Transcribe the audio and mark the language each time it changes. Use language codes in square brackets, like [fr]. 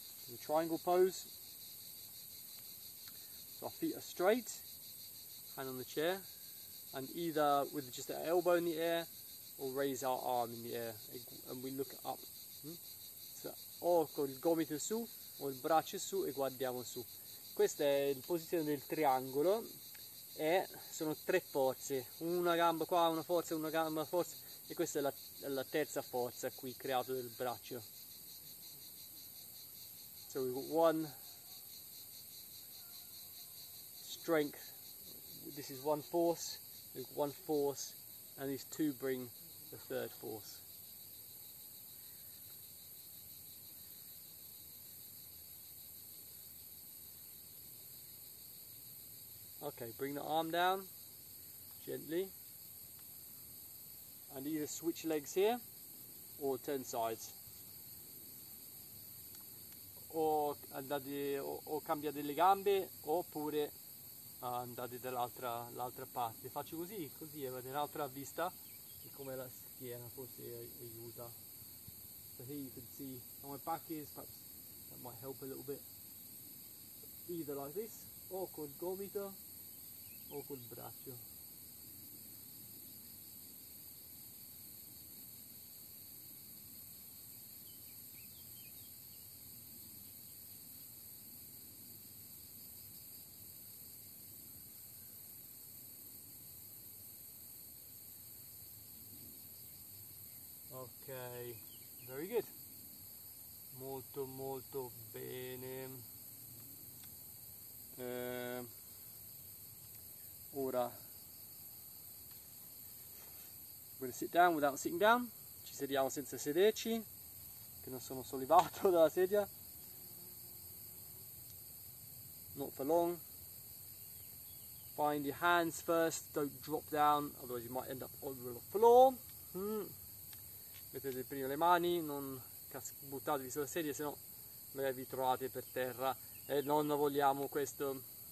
[en] The triangle pose. So our feet are straight, hand on the chair, and either with just our elbow in the air or raise our arm in the air and we look up. [it] So o col gomito su o il braccio su e guardiamo su. Questa è la posizione del triangolo e sono tre forze. Una gamba qua, una gamba forza, e questa è la terza forza qui creato del braccio. [en] So we've got one strength, this is one force, we've got one force, and these two bring the third force. Okay, bring the arm down gently, and either switch legs here or turn sides. [it] O cambiate le gambe oppure andate dall'altra parte. Faccio così avete un'altra vista di come la schiena forse aiuta. [en] So here you can see how my back is, perhaps that might help a little bit. Either like this, [it] o col gomito o col braccio. [en] Ok, very good. [it] Molto molto bene. [en] Ora we're gonna sit down without sitting down. [it] Ci sediamo senza sederci, che non sono sollevato dalla sedia. [en] Not for long. Find your hands first, don't drop down, otherwise you might end up on the floor. [it] Mettete prima le mani, non buttatevi sulla sedia, sennò magari vi trovate per terra e non vogliamo questo.